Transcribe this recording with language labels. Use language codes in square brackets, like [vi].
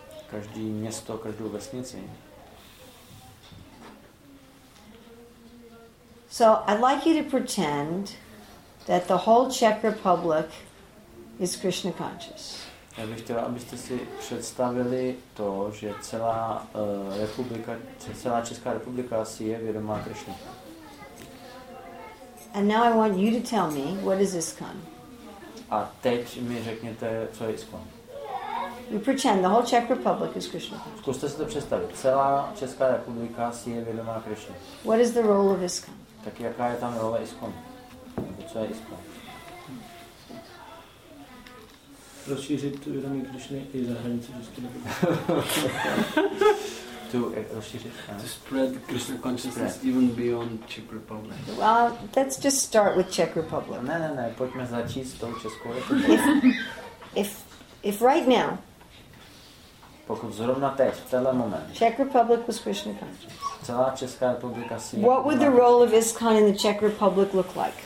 [cs] každý město, každou vesnici. [en] So I'd like you to pretend that the whole Czech Republic is Krishna conscious. [cs] Já bych chtěla, abyste si představili to, že celá republika, celá Česká republika si je vědomá Krishna. [en] And now I want you to tell me, what is ISKCON? [cs] A teď mi řekněte, co je ISKCON. [en] You pretend the whole Czech Republic is Krishna. [cs] Zkuste si to představit. Celá Česká republika si je vědomá Krishna. [en] What is the role of ISKCON? [cs] Tak jaká je tam role ISKCON? Nebo co je ISKCON? Rozšířit vědomí Krishny i za hranice České republiky. [en] To spread Krishna consciousness even beyond Czech Republic. Well, let's just start with Czech Republic. [cs] No, pojďme začít s tou Českou republikou. [en] If right now, [cs] pokud zrovna teď, v tenhle moment, [en] Czech Republic was Krishna conscious, [cs] celá Česká republika si... [en] What would the role of ISKCON in the Czech Republic look like?